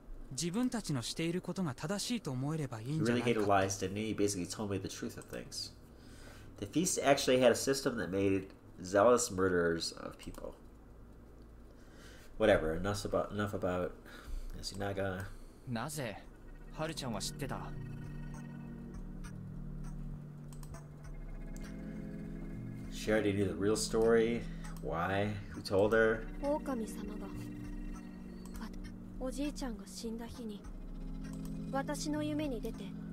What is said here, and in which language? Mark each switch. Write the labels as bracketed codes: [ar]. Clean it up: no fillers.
[ja] 自分たちのしていることが正しいと思えればいいんじゃないか。 [en] He really hated lies, didn't he? He basically told me the truth of things. The feast actually had a system that made zealous murderers of people. Whatever. Enough about Yasunaga. [ja] なぜ、ハルちゃんは知ってた？ [en] She already knew the real story. Why? Who told her? [ja] オオカミ様が、おじいちゃんが死んだ日に、私の夢に出て、